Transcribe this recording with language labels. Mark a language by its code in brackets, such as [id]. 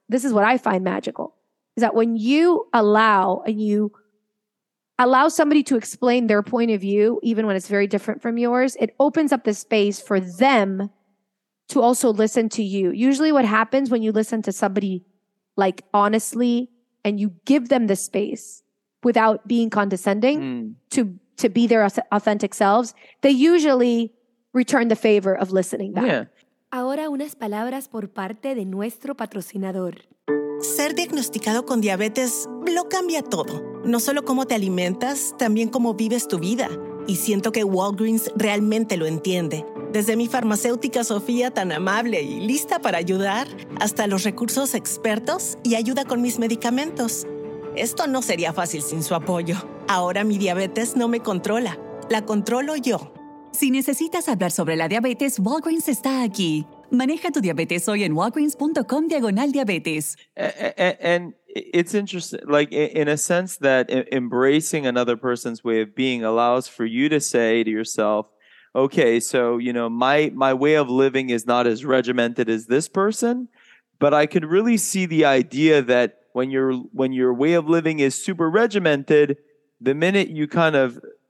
[en] This is what I find magical. Is that when you allow somebody to explain their point of view, even when it's very different from yours, it opens up the space for them to also listen to you. Usually what happens when you listen to somebody like honestly and you give them the space without being condescending to be their authentic selves, they usually return the favor of listening back. Yeah. [es] Ahora unas palabras por parte de nuestro patrocinador. Ser diagnosticado con diabetes lo cambia todo. No solo cómo te alimentas, también cómo vives tu vida. Y siento que Walgreens realmente lo entiende. Desde mi farmacéutica Sofía, tan amable y lista para ayudar, hasta los recursos expertos y ayuda con mis medicamentos. Esto no sería fácil sin su apoyo. Ahora mi diabetes no me controla. La controlo yo. Si necesitas hablar sobre la diabetes, Walgreens está aquí. Maneja tu diabetes hoy en walgreens.com/diabetes. [en] And it's interesting, like in a sense that embracing another person's way of being allows for you to say to yourself, okay, so, you know, my way of living is not as regimented as this person, but I could really see the idea that when your way of living is super regimented, the minute you kind of